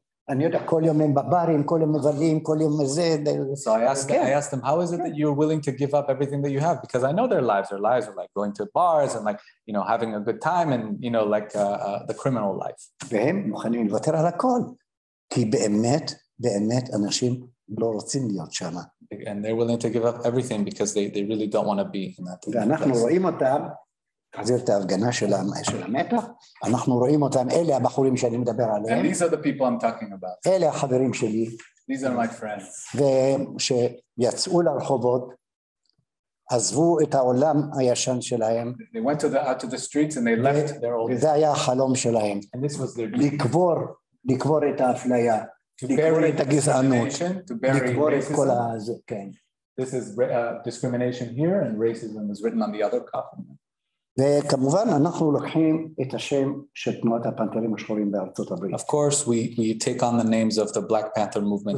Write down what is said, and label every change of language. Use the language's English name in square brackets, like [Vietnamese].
[Hebrew] אני יודע, כל יום הם בברים, כל יום מבלים, כל יום זה. [English] So I asked them, how is it that you're willing to give up everything that you have? Because I know their lives are like going to bars and like, you know, having a good time and, you know, like the criminal life. [Hebrew] והם מוכנים לוותר על הכל. כי באמת, באמת אנשים לא רוצים להיות שם. [English] And they're willing to give up everything because they really don't want to be in that. [Hebrew] ואנחנו רואים אותם, להחזיר את ההפגנה של המתח, אנחנו רואים אותם, אלה הבחורים שאני מדבר עליהם. [English] And these are the people I'm talking about. [Hebrew] אלה החברים שלי. [English] These are my friends. [Hebrew] ושיצאו לרחובות, עזבו את העולם הישן שלהם. [English] They went out to the streets and they left their old life. [Hebrew] זה היה החלום שלהם. [English] And this was their dream. [Hebrew] לקבור את האפליה. לקבור את הגזענות. [English] To bury racism. [Hebrew] לקבור את כל הזה, כן. [English] This is discrimination here and racism is written on the other coffin. [Hebrew] וכמובן אנחנו לוקחים את השם של תנועת הפנתרים השחורים בארצות הברית. [English] Of course we take on the names of the Black Panther movement.